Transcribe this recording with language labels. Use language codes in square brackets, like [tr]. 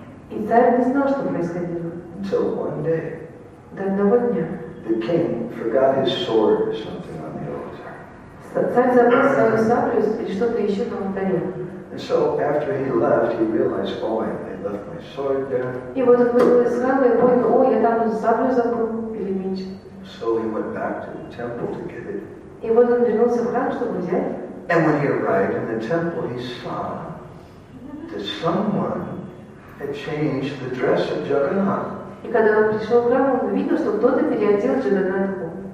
[ru] И царь не знал, что происходило. [en] Until one day. [ru] До одного дня. [en] The king forgot his sword or something on the altar. [ru] Царь забыл свою саблю или что-то еще на алтаре. [en] And so after he left, he realized, oh, I left my sword there. [ru] И вот он вышел из храма и понял, о, я там саблю забыл или меч. [en] So he went back to the temple to get it. [ru] И вот он вернулся в храм, чтобы взять. [en] And when he arrived in the temple, he saw that someone had changed the dress of Jagannath. [ru] И когда он пришел в храм, он увидел, что кто-то переодел Джаганнатху.